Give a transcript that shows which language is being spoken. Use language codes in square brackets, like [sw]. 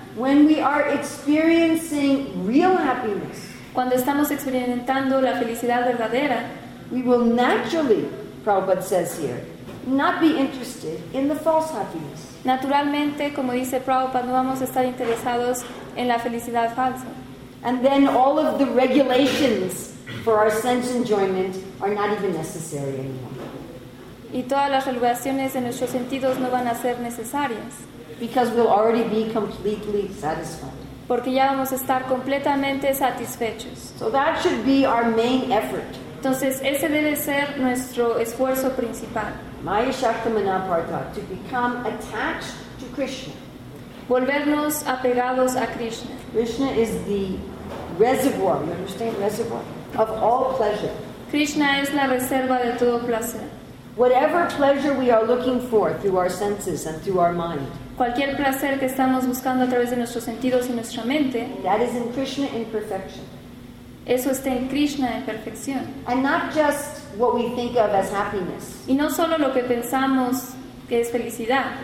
[en] When we are experiencing real happiness, [es] cuando estamos experimentando la felicidad verdadera, [en] we will naturally, Prabhupada says here, not be interested in the false happiness. [es] Naturalmente, como dice Prabhupada, no vamos a estar interesados en la felicidad falsa. [en] And then all of the regulations for our sense enjoyment are not even necessary anymore. [es] Y todas las regulaciones de nuestros sentidos no van a ser necesarias. [en] Because we'll already be completely satisfied. [es] Porque ya vamos a estar completamente satisfechos. [en] So that should be our main effort. [es] Entonces, ese debe ser nuestro esfuerzo principal. [sa] Maya Shakta Manaparta, [en] to become attached to Krishna. [es] Volvernos apegados a Krishna. [en] Krishna is the reservoir, you understand, reservoir, of all pleasure. [es] Krishna es la reserva de todo placer. [en] Whatever pleasure we are looking for through our senses and through our mind, [es] cualquier placer que estamos buscando a través de nuestros sentidos y nuestra mente, [en] that is in Krishna in perfection. [es] Eso está en Krishna en perfección. [en] And not just what we think of as happiness. [es] Y no solo lo que pensamos que es felicidad.